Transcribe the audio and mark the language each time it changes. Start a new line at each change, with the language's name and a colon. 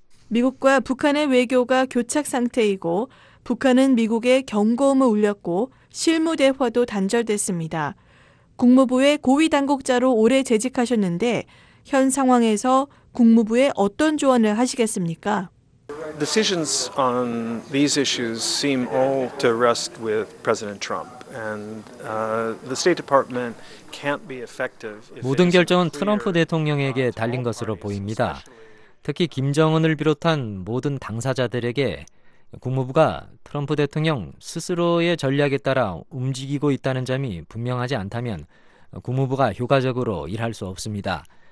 Korean: 미국과 북한의 외교가 교착 상태이고 북한은 미국에 경고음을 울렸고 실무 대화도 단절됐습니다. 국무부의 고위 당국자로 오래 재직하셨는데 현 상황에서 국무부에 어떤 조언을 하시겠습니까?
English: Decisions on these issues seem all to rest with President Trump. And the State Department can't be effective.
Korean: 모든 결정은 트럼프 대통령에게 달린 것으로 보입니다. 특히 김정은을 비롯한 모든 당사자들에게 국무부가 트럼프 대통령 스스로의 전략에 따라 움직이고 있다는 점이 분명하지 않다면 국무부가 효과적으로 일할 수 없습니다.